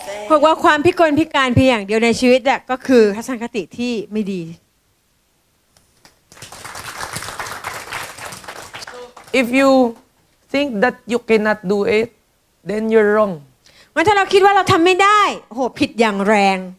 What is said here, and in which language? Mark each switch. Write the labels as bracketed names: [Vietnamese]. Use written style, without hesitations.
[Thai] บอกว่าความพิกลพิการเพียงอย่างเดียวในชีวิตเนี่ยก็คือทัศนคติที่ไม่ดี [English] If you think that you cannot do it then you're wrong [Thai] งั้นถ้าเราคิดว่าเราทำไม่ได้โหผิดอย่างแรง